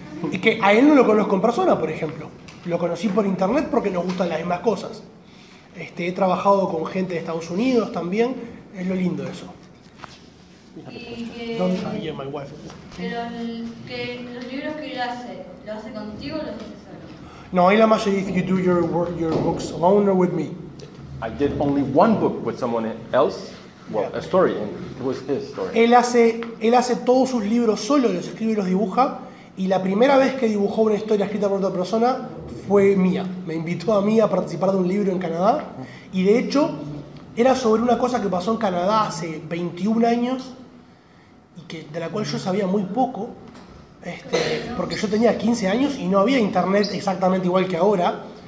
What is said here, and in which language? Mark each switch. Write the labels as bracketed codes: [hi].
[es] Y que a él no lo conozco en persona, por ejemplo. Lo conocí por internet porque nos gustan las mismas cosas. He trabajado con gente de Estados Unidos también. Es lo lindo eso. ¿Dónde está? Ahí en [en] my wife. [es] ¿Pero que los libros que él hace, lo hace contigo o lo hace solo? No, ahí la mayoría dice, [en] you do your work, your books alone or with me. I did only one book with someone else. Well, yeah. A story. And it was his story. [es] Él hace todos sus libros solo, los escribe y los dibuja. Y la primera vez que dibujó una historia escrita por otra persona fue mía. Me invitó a mí a participar de un libro en Canadá. Y de hecho, era sobre una cosa que pasó en Canadá hace 21 años y que, de la cual yo sabía muy poco, porque yo tenía 15 años y no había internet exactamente igual que ahora.